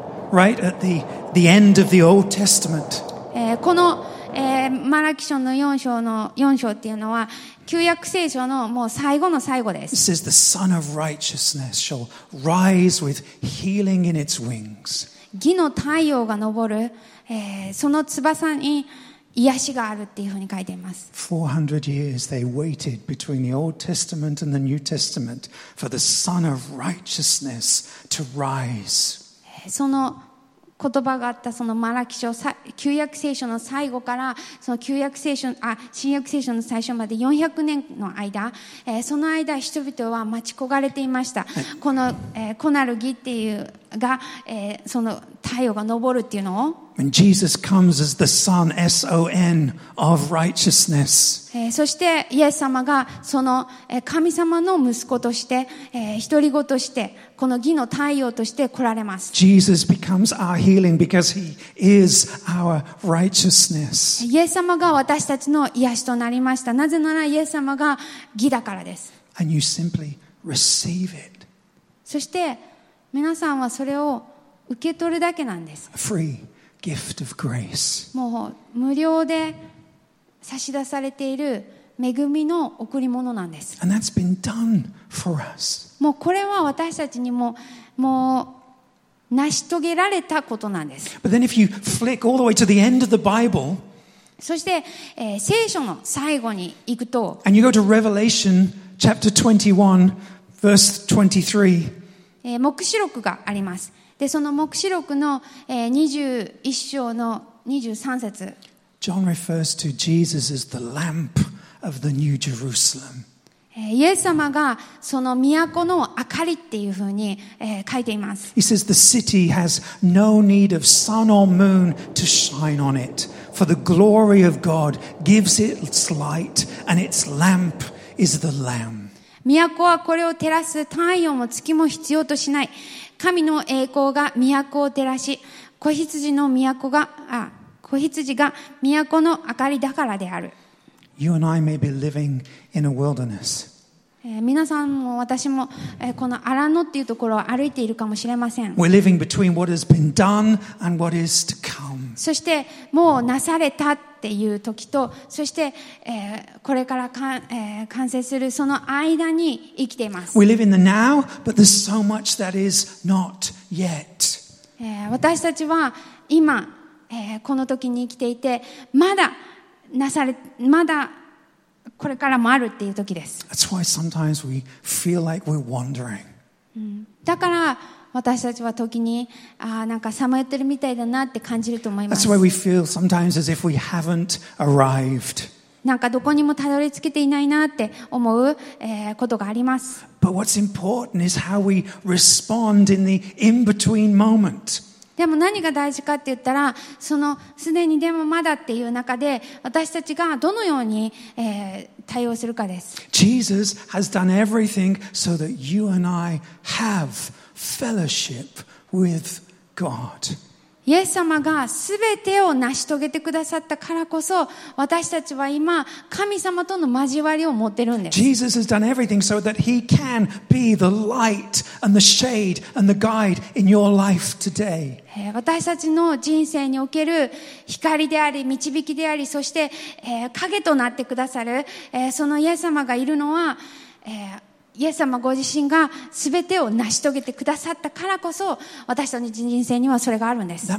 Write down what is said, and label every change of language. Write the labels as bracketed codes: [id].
[en] Right at the end of the Old Testament. [ja] このマラキ書の4章の4章っていうのは旧約聖書のもう最後の最後です。 [en] This is the Son of Righteousness shall rise with healing in its wings. [ja] 義の太陽が昇る、その翼に癒しがあるっていうふうに書いています。 [en] 400 years they waited between the Old Testament and the New Testament for the Son of Righteousness to rise. [ja] その言葉があったそのマラキ書、旧約聖書の最後からその旧約聖書、新約聖書の最初まで400年の間、その間人々は待ち焦がれていました。この、子なる義っていうが、その太陽が昇るっていうのを。 [en] And Jesus comes as the Son, S-O-N, of righteousness. [ja] そして、イエス様が、その、神様の息子として、独り子として、この義の太陽として来られます。 [en] Jesus becomes our healing because he is our righteousness. [ja] イエス様が私たちの癒しとなりました。なぜならイエス様が義だからです。 [en] And you simply receive it. [ja] そして、皆さんはそれを受け取るだけなんです。 [en] Free. Gift of grace. [ja] もう無料で差し出されている恵みの贈り物なんです。 [en] And that's been done for us. [ja] もうこれは私たちにももう成し遂げられたことなんです。 [en] But then if you flick all the way to the end of the Bible, [ja] そして、聖書の最後に行くと、 [en] And you go to Revelation chapter 21, verse 23. [ja] 黙示録があります。でその黙示録の、21章の23節。 [en] John refers to Jesus as the lamp of the New Jerusalem. [ja] イエス様がその都の明かりっていうふうに、書いています。 [en] He says the city has no need of sun or moon to shine on it, for the glory of God gives it its light, and its lamp is the Lamb. [ja] 都はこれを照らす太陽も月も必要としない。神の栄光が都を照らし、子羊が都の明かりだからである。 [en] You and I may be living in a wilderness. [ja] 皆さんも私も、この荒野っていうところを歩いているかもしれません。 [en] We're living between what has been done and what is to come. [ja] そしてもうなされたっていう時と、そして、これから完成するその間に生きています。 [en] We live in the now, but there's so much that is not yet. [ja] 私たちは今、この時に生きていて、まだこれからもあるっていう時です。 [en] That's why sometimes we feel like we're wandering. [ja] だから私たちは時に、なんかさまよってるみたいだなって感じると思います。 [en] That's why we feel sometimes as if we haven't arrived. [ja] なんかどこにもたどり着けていないなって思う、ことがあります。 [en] But what's important is how we respond in the in-between moment. [ja] でも何が大事かって言ったら、そのすでにでもまだっていう中で、私たちがどのように、対応するかです。 [en] Jesus has done everything so that you and I have fellowship with God. [ja] イエス様がすべてを成し遂げてくださったからこそ、私たちは今、神様との交わりを持ってるんです。 [en] Jesus has done everything so that he can be the light and the shade and the guide in your life today. [ja] 私たちの人生における光であり導きであり、そして、影となってくださる、そのイエス様がいるのは、イエス様ご自身が全てを成し遂げてくださったからこそ、私たちの人生にはそれがあるんです。